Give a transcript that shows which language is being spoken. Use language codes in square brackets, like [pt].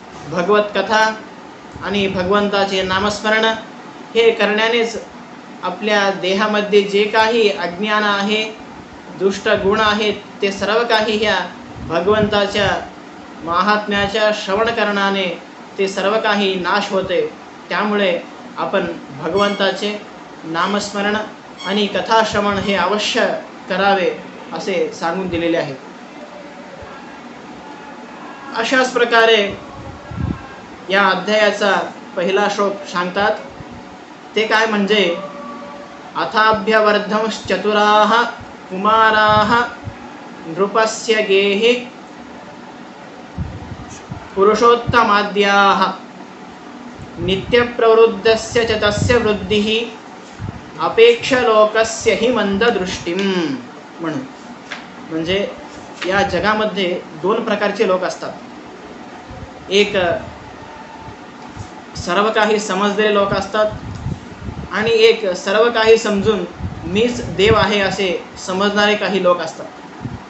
[mr] भगवत कथा आणि भगवंताचे नामस्मरण हे करण्यानेच आपल्या देहामध्ये जे काही अज्ञान आहे, दुष्ट गुण आहेत, ते सर्व काही ह्या भगवंताच्या महात्म्याच्या श्रवण करण्याने ते सर्व काही नाश होते। त्यामुळे आपण भगवंताचे नामस्मरण आणि कथाश्रवण हे अवश्य करावे असे सांगून दिलेले आहे। अशाच प्रकारे या अध्यायाचा पहिला श्लोक सांगतात, ते काय म्हणजे [sa] अथाभ्यवर्धंश्चतुराः कुमाराः नृपस्य गेहि पुरुषोत्तमाद्याः नित्यप्रवृद्धस्य च तस्य वृद्धिः अपेक्षलोकस्य हि मन्ददृष्टिम्। [mr] म्हणजे या जगामध्ये दोन प्रकारचे लोक असतात, एक सर्व काही समजलेले लोक असतात आणि एक सर्व काही समजून मीच देव आहे असे समजणारे काही लोक असतात।